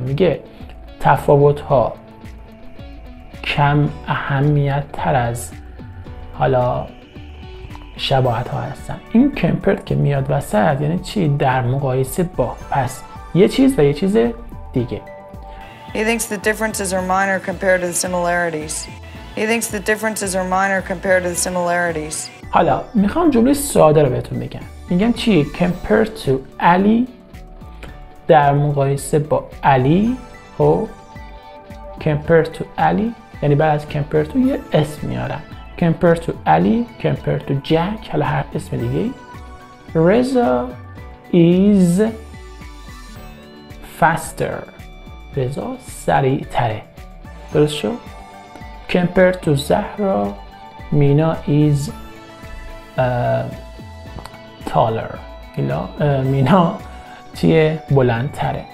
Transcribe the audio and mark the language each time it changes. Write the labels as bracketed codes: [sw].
[fa] میگه تفاوت ها کم اهمیت تر از حالا شباهت ها هستن. این compared که میاد وسط یعنی چی؟ در مقایسه با، پس یه چیز و یه چیز دیگه. [en] He thinks the differences are minor compared to the similarities. He thinks the differences are minor compared to the similarities. [fa] حالا میخوام جمله ساده رو بهتون بگم. میگم چی؟ [en] compared to Ali، [fa] در مقایسه با Ali، خب [en] compared to [fa] Ali یعنی بعد از compared to یه اسم میارم. [en] compared to Ali، compared to Jack، [fa] حالا هر اسم دیگه. [en] Reza is faster، [fa] رضا سریع تره، درست شد؟ [en] compared to [fa] زهرا، مینا [en] is taller، [fa] مینا چیه؟ بلند تره.